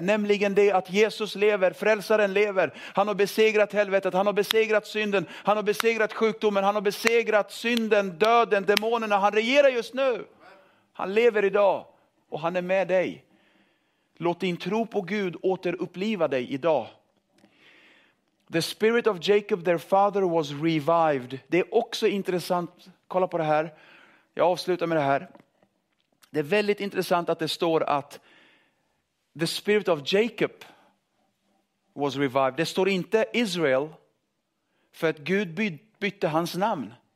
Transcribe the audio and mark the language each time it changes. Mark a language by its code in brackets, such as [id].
[sv] Nämligen det att Jesus lever, frälsaren lever. Han har besegrat helvetet, han har besegrat synden. Han har besegrat sjukdomen, han har besegrat synden, döden, demonerna. Han regerar just nu. Han lever idag och han är med dig. Låt din tro på Gud återuppliva dig idag. [en] The spirit of Jacob, their father, was revived. [sv] Det är också intressant, kolla på det här. Jag avslutar med det här. Det är väldigt intressant att det står att [en] the spirit of Jacob was revived. [sv] Det står inte Israel, för att Gud bytte hans namn.